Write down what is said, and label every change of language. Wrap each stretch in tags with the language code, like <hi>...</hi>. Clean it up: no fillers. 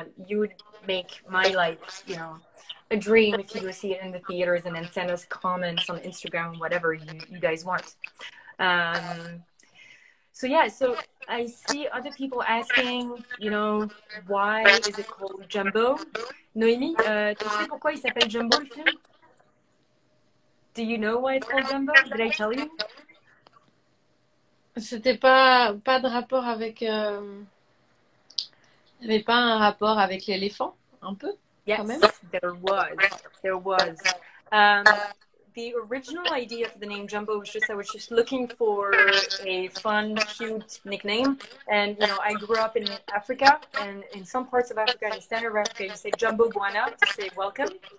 <en>You would make my life, you know, a dream if you go see it in the theaters and then send us comments on Instagram, whatever you guys want. So yeah, so I see other people asking, you know, why is it called Jumbo?</en> <fr>Noémie, tu sais pourquoi il s'appelle Jumbo le film?</fr> <en>Do you know why it's called Jumbo? Did I tell you?</en> <fr>C'était pas de rapport avec mais pas un rapport avec l'éléphant, un peu,</fr> <en>yes,</en> <fr>quand même.</fr> <en>Yes, there was. The original idea for the name Jumbo was just I was just looking for a fun, cute nickname. And, you know, I grew up in Africa, and in some parts of Africa, in Central Africa, you say Jumbo Buana to say welcome.</en>